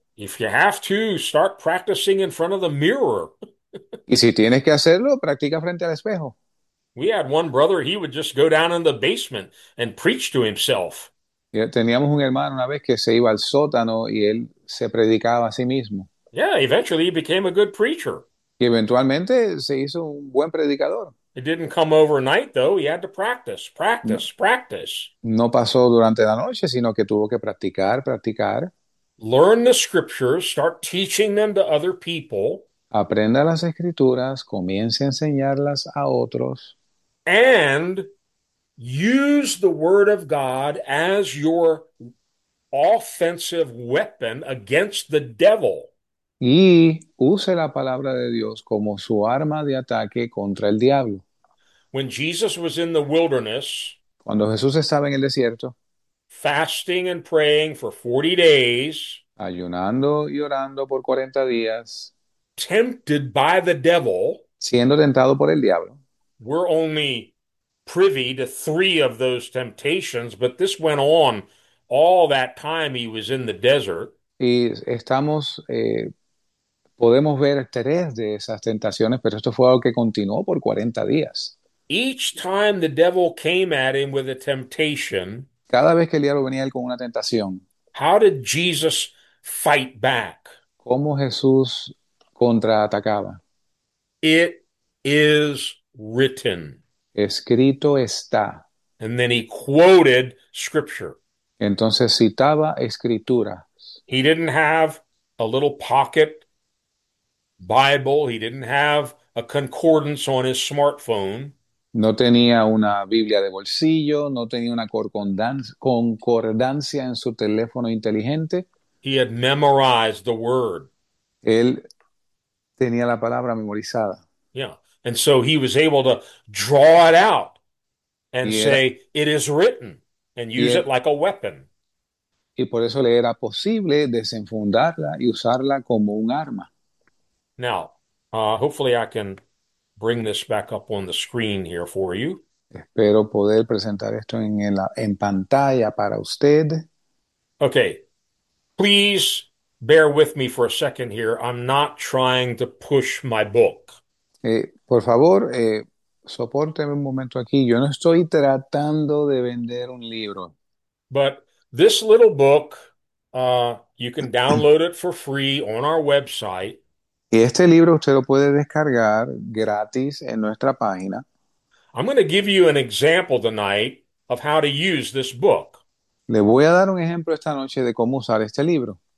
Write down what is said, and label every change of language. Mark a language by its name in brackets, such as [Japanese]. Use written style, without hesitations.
[English] If you have to, start practicing in front of the mirror. [Spanish] Y si tienes que hacerlo, practica frente al espejo. [English] We had one brother, he would just go down in the basement and preach to himself. [Spanish] Teníamos un hermano una vez que se iba al sótano y él se predicaba a sí mismo. [English] Yeah, eventually he became a good preacher. [Spanish] Y eventualmente se hizo un buen predicador. [English] It didn't come overnight, though. He had to practice, [Spanish] No, [English] practice, practice. [Spanish] no pasó durante la noche, sino que tuvo que practicar, practicar. [English] Learn the scriptures, start teaching them to other people. [Spanish] Aprenda las escrituras, comience a enseñarlas a otros. [English] And use the word of God as your offensive weapon against the devil. [Spanish] Y use la palabra de Dios como su arma de ataque contra el diablo. [English] When Jesus was in the wilderness, [Spanish] Cuando Jesús estaba en el desierto, [English] fasting and praying for 40 days, [Spanish] ayunando y orando por 40 días, [English] tempted by the devil, [Spanish] siendo tentado por el diablo. [English] we're only privy to three of those temptations, but this went on all that time he was in the desert. [Spanish] Y estamos, podemos ver tres de esas tentaciones, pero esto fue algo que continuó por 40 días. [English] Each time the devil came at him with a temptation, [Spanish] Cada vez que el diablo venía él con una tentación, [English] how did Jesus fight back? [Spanish] ¿cómo Jesús contraatacaba? [English] It is written. [Spanish] Escrito está. [English] And then he quoted scripture. [Spanish] Entonces citaba escrituras. [English] He didn't have a little pocket Bible. He didn't have a concordance on his smartphone. [Spanish] No tenía una Biblia de bolsillo, no tenía una concordancia en su teléfono inteligente. [English] He had memorized the word. [Spanish] Él tenía la palabra memorizada. [English] Yeah. And so he was able to draw it out and [Spanish] Y era, [English] say, it is written, and [Spanish] y [English] use it [Spanish] era, [English] like a weapon. [Spanish] y por eso le era posible desenfundarla y usarla como un arma. [English] Now, hopefully I can bring this back up on the screen here for you. [Spanish] Espero poder presentar esto en pantalla para usted. [English] Okay. Please bear with me for a second here. I'm not trying to push my book. [Spanish] Por favor, sopórteme un momento aquí. Yo no estoy tratando de vender un libro. [English] But this little book, you can download it for free on our website. [Spanish] Este libro usted lo puede descargar gratis en nuestra página. [English] I'm going to give you an example tonight of how to use this book. [Spanish] Le voy a dar un ejemplo esta noche de cómo usar este libro.